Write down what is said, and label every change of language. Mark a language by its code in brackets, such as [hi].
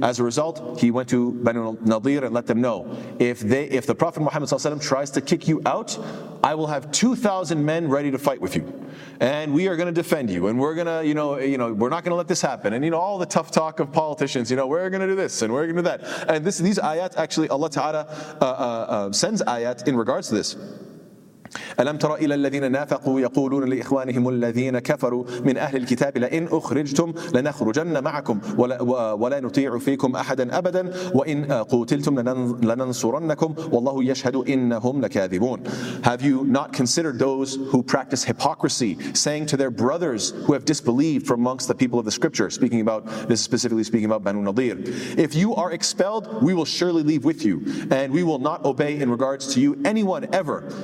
[en] As a result, he went to Banu Nadir and let them know, if the Prophet Muhammad ﷺ tries to kick you out, I will have 2,000 men ready to fight with you. And we are going to defend you, and we're going to, you know, we're not going to let this happen. And you know, all the tough talk of politicians, you know, we're going to do this, and we're going to do that. And these ayat, actually, Allah Ta'ala sends ayat in regards to this. [ar] ألم تر إلى الذين نافقوا يقولون لإخوانهم الذين كفروا من أهل الكتاب لئن أخرجتم لنخرجن معكم ولا نطيع فيكم أحدا أبدا وإن قوتلتم لننصرنكم والله يشهد إنهم لكاذبون. [en] Have you not considered those who practice hypocrisy, saying to their brothers who have disbelieved from amongst the people of the scripture, speaking about this, specifically speaking about Banu Nadir, if you are expelled, we will surely leave with you, and we will not obey in regards to you anyone ever.